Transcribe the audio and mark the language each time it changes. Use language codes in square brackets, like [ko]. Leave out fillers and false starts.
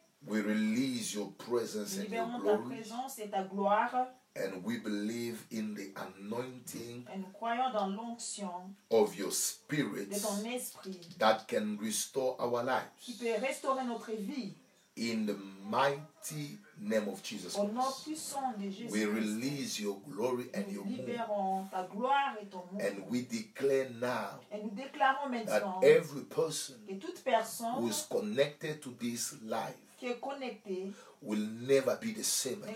[en] We release your presence and your glory. [fr] Libérons ta présence et ta gloire. [en] And we believe in the anointing [fr] et nous croyons dans l'onction [en] of your spirit [fr] de ton esprit [en] that can restore our lives [fr] qui peut restaurer notre vie [en] in the mighty name of Jesus [fr] au nom puissant de Jésus. [en] We release your glory and [fr] nous [en] your [fr] libérons ta gloire et ton nom. [en] And we declare now [fr] et nous déclarons maintenant [en] that every person [fr] et toute personne [en] who is connected to this life [fr] qui est connectée [en] will never be the same again.